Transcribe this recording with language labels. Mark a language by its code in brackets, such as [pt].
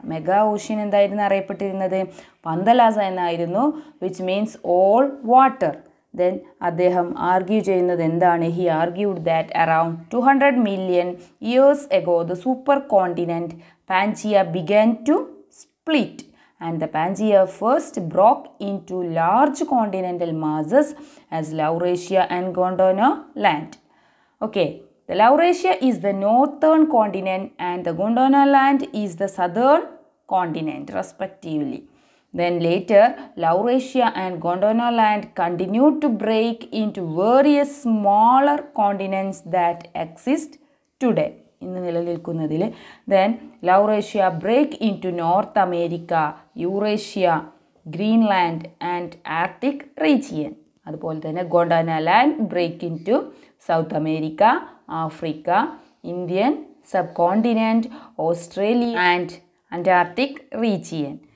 [ml] Mega ocean എന്തായിരുന്നു അറിയപ്പെട്ടിരുന്നത്? പന്തലാസ എന്നായിരുന്നു, [en] Which means all water. Then [ml] അദ്ദേഹം ആർഗ്യൂ ചെയ്യുന്നത് എന്താണ്? [en] He argued that around 200 million years ago the super continent Pangaea began to split. And the Pangaea first broke into large continental masses as Laurasia and Gondwana land. Okay, the Laurasia is the northern continent and the Gondwana land is the southern continent respectively. Then later, Laurasia and Gondwana land continued to break into various smaller continents that exist today. [ml] ഇന്ന് നിലനിൽക്കുന്നതിൽ. [en] Then Laurasia break into North America, Eurasia, Greenland and Arctic region. [ml] അതുപോലെ തന്നെ [en] Gondwana land break into South America, Africa, Indian sub continent, Australia and Antarctic region.